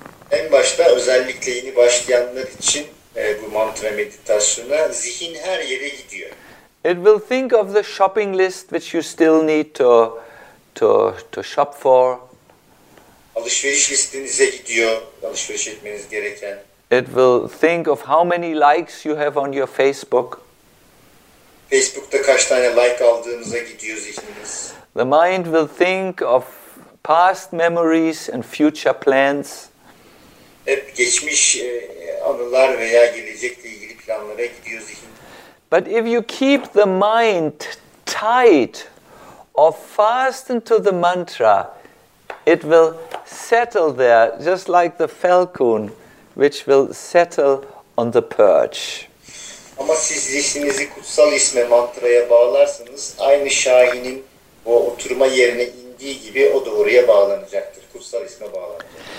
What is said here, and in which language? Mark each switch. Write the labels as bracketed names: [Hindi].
[Turkish] En başta özellikle yeni başlayanlar için bu mantra meditasyonu, zihin her yere gidiyor. [English] It will think of the shopping list which you still need to shop for. [Turkish] Alışveriş listenize gidiyor, alışveriş etmeniz gereken. [English] It will think of how many likes you have on your Facebook. [Turkish] Facebook'ta kaç tane like aldığınıza gidiyor zihniniz. [English] The mind will think of past memories and future plans. [Turkish] Hep geçmiş anılar veya gelecekle ilgili planlara gidiyor zihniniz. [English] But if you keep the mind tight or fastened to the mantra, it will settle there, just like the falcon, which will settle on the perch. [Turkish] Ama siz zihninizi kutsal isme, mantraya bağlarsanız, aynı şahinin o oturma yerine indiği gibi o da oraya bağlanacaktır, kutsal isme bağlanacaktır.